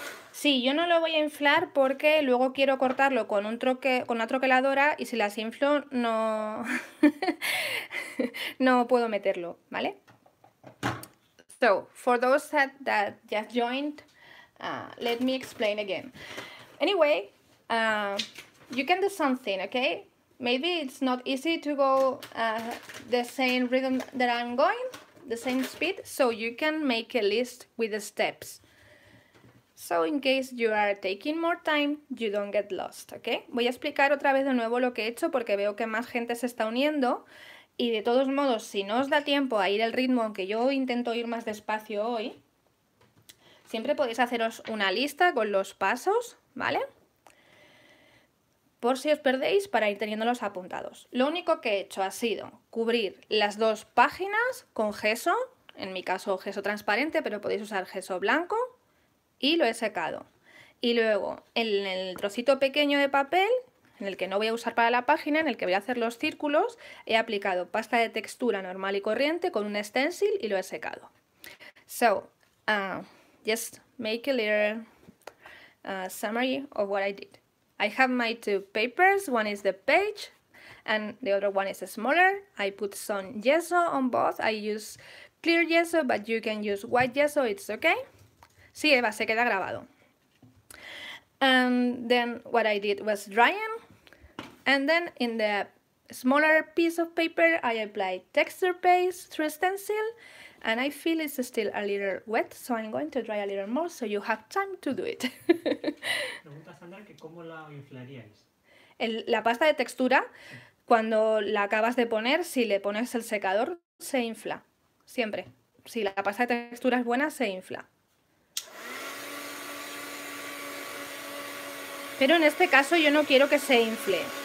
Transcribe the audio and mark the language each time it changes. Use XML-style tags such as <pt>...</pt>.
<es>Sí, yo no lo voy a inflar porque luego quiero cortarlo con un troque, con una troqueladora y si las inflo no no puedo meterlo, ¿vale?</es> <en>So, for those that just joined, let me explain again. Anyway, you can do something, okay? Maybe it's not easy to go the same rhythm that I'm going. The same speed, so you can make a list with the steps. So in case you are taking more time, you don't get lost, okay?</en> <es>Voy a explicar otra vez de nuevo lo que he hecho porque veo que más gente se está uniendo y de todos modos, si no os da tiempo a ir al ritmo, aunque yo intento ir más despacio hoy, siempre podéis haceros una lista con los pasos, ¿vale? Por si os perdéis, para ir teniéndolos apuntados. Lo único que he hecho ha sido cubrir las dos páginas con gesso, en mi caso gesso transparente, pero podéis usar gesso blanco, y lo he secado. Y luego, en el trocito pequeño de papel, en el que no voy a usar para la página, en el que voy a hacer los círculos, he aplicado pasta de textura normal y corriente con un stencil y lo he secado.</es> <en>So, just make a little summary of what I did. I have my two papers, one is the page and the other one is smaller. I put some gesso on both. I use clear gesso, but you can use white gesso, it's okay.</en> <es>Sí, Eva, se queda grabado.</es> <en>And then what I did was drying, and then in the smaller piece of paper I apply texture paste through stencil, and I feel it's still a little wet, so I'm going to dry a little more so you have time to do it.</en> <es>Pregunta Sandra que cómo la inflaríais. La pasta de textura, cuando la acabas de poner, si le pones el secador, se infla. Siempre. Si la pasta de textura es buena, se infla. Pero en este caso yo no quiero que se infle.</es>